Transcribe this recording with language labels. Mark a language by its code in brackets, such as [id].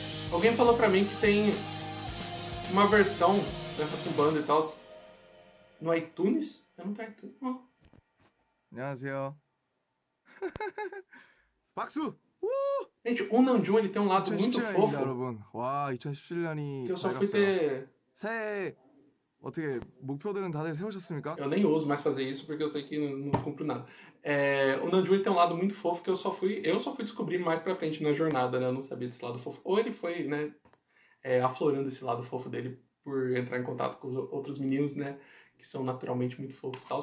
[pt] Alguém falou pra mim que tem uma versão dessa com banda e tal no iTunes? Eu não tenho iTunes, não. [ko] 안녕하세요. Baksu! [pt] Gente, o Namjoon, ele tem um lado 2017, muito fofo. [ko] 여러분. 와, 2017년이 [pt] que eu só fui ter... [ko] 새해! 어떻게, 목표들은 다들 세우셨습니까? [pt] Eu nem uso mais fazer isso, porque eu sei que não cumpro nada. É, o Namjoon tem um lado muito fofo que eu só fui descobrir mais pra frente na jornada, né? Eu não sabia desse lado fofo. Ou ele foi, né, aflorando esse lado fofo dele por entrar em contato com os outros meninos, né? Que são naturalmente muito fofos e tal.